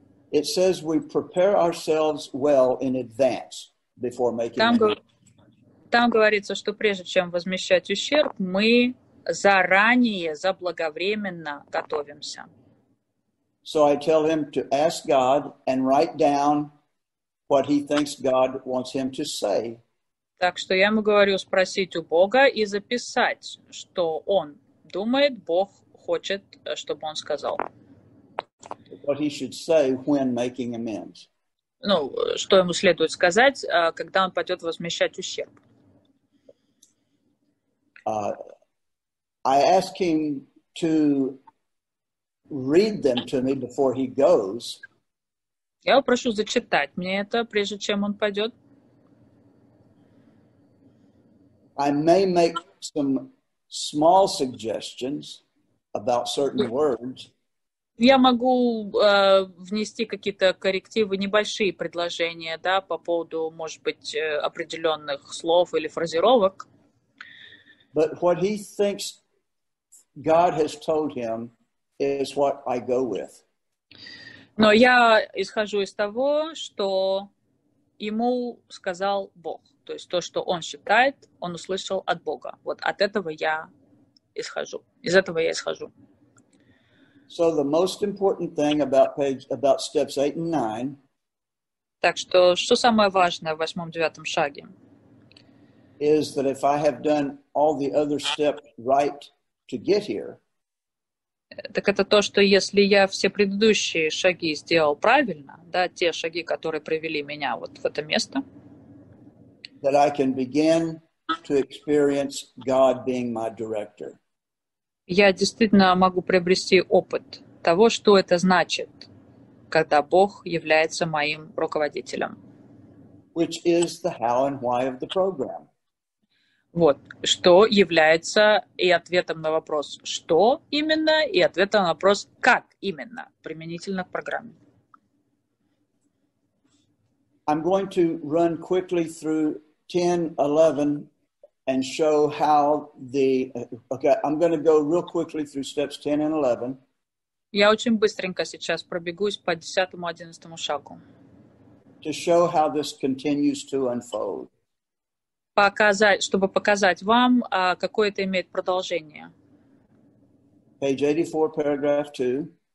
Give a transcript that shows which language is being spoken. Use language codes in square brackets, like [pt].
[en] It says we prepare ourselves well in advance before making [ru] Там говорится, что прежде чем возмещать ущерб, мы заранее, заблаговременно готовимся. [en] So I tell him to ask God and write down what he thinks God wants him to say. [ru] Так что я ему говорю спросить у Бога и записать, что он думает, Бог хочет, чтобы он сказал. [en] What he should say when making amends. [ru] Ну, что ему следует сказать, когда он пойдет возмещать ущерб. [en] I ask him to read them to me before he goes. [ru] Я прошу зачитать мне это, прежде чем он пойдет. [en] I may make some small suggestions about certain words. [ru] Я могу внести какие-то коррективы, небольшие предложения, да, по поводу, может быть, определенных слов или фразировок. [en] But what he thinks God has told him is what I go with. [ru] Но я исхожу из того, что ему сказал Бог. То есть то, что он считает, он услышал от Бога. Вот от этого я исхожу. Из этого я исхожу. [en] So the most important thing about steps 8 and 9. [ru] Так что, что самое важное в восьмом-девятом шаге? [en] Is that if I have done all the other steps right to get here. [ru] Так это то, что если я все предыдущие шаги сделал правильно, да, те шаги, которые привели меня вот в это место. [en] That I can begin to experience God being my director. [ru] Я действительно могу приобрести опыт того, что это значит, когда Бог является моим руководителем. [en] Which is the how and why of the program. [ru] Вот, что является и ответом на вопрос «что именно?» и ответом на вопрос «как именно?» применительно к программе. [en] I'm going to run quickly through 10, 11 and show how the... Okay, I'm going to go real quickly through steps 10 and 11. [ru] Я очень быстренько сейчас пробегусь по 10-11 шагу. [en] To show how this continues to unfold. [ru] Показать, чтобы показать вам, какое это имеет продолжение. [en] Page 84, paragraph 2.